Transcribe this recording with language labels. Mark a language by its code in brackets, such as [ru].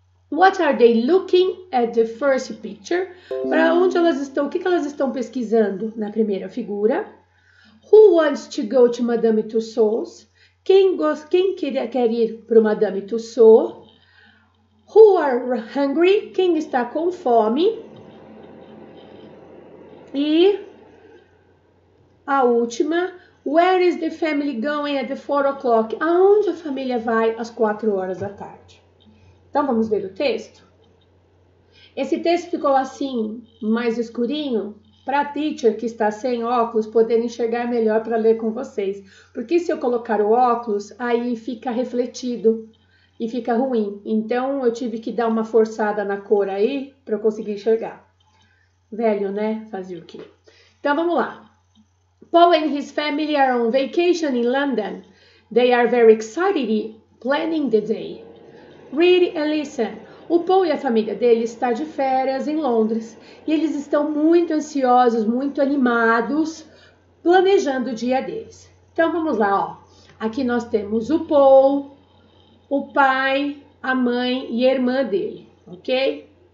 [en] What are they looking at the first picture? [pt] Para onde elas estão? O que elas estão pesquisando na primeira figura? [en] Who wants to go to Madame Tussauds? [pt] Quem quer ir para o Madame Tussauds? [en] Who are hungry? [pt] Quem está com fome? E a última, [en] where is the family going at the 4 o'clock? [pt] Aonde a família vai às 4 horas da tarde? Então vamos ver o texto. Esse texto ficou assim, mais escurinho, para a teacher que está sem óculos poder enxergar melhor para ler com vocês. Porque se eu colocar o óculos, aí fica refletido e fica ruim. Então eu tive que dar uma forçada na cor aí para eu conseguir enxergar. Velho, né? Fazer o quê? Então vamos lá. [en] Paul and his family are on vacation in London. They are very excited planning the day. Read and listen. [pt] O Paul e a família dele está de férias em Londres e eles estão muito ansiosos, muito animados, planejando o dia deles. Então vamos lá, ó. Aqui nós temos o Paul, o pai, a mãe e a irmã dele, ok?